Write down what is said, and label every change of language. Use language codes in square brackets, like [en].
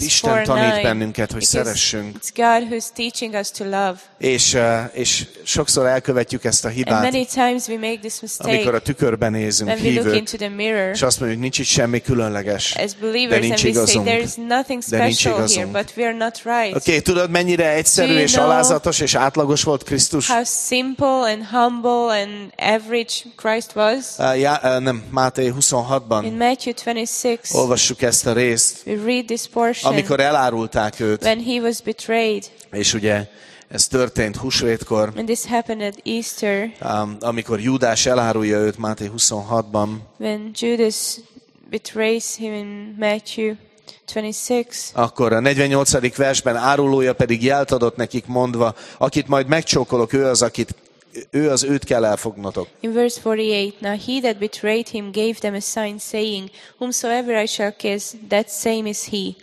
[hu] Isten tanít bennünket, hogy szeressünk. [en] It's God who's teaching us to love. [hu] És sokszor elkövetjük ezt a hibát. [en] And many times we make this mistake. [hu] Amikor a tükörben nézünk, [en] when we look into the mirror, [hu] és azt mondjuk, nincs itt semmi különleges. [en] As believers, [hu] de nincs [en] and [hu] igazunk. [en] We say, there's nothing special here, but we are not right. [hu] Okay, tudod, mennyire egyszerű és alázatos és átlagos volt Krisztus? [en] How simple and humble and average Christ was? [hu] Máté 26-ban. [en] In Matthew 26. [hu] Olvassuk ezt a részt. [en] We read this portion. [hu] Amikor elárulták őt. [en] When he was betrayed. [hu] És ugye ez történt húsvétkor. [en] And this happened at Easter. [hu] Amikor Júdás elárulja őt Máté 26-ban. [en] When Judas betrays him in Matthew 26. [hu] Akkor a 48. versben árulója pedig jelt adott nekik mondva, akit majd megcsókolok, ő az őt kell elfognatok. [en] In verse 48, now he that betrayed him gave them a sign saying, whomsoever I shall kiss, that same is he.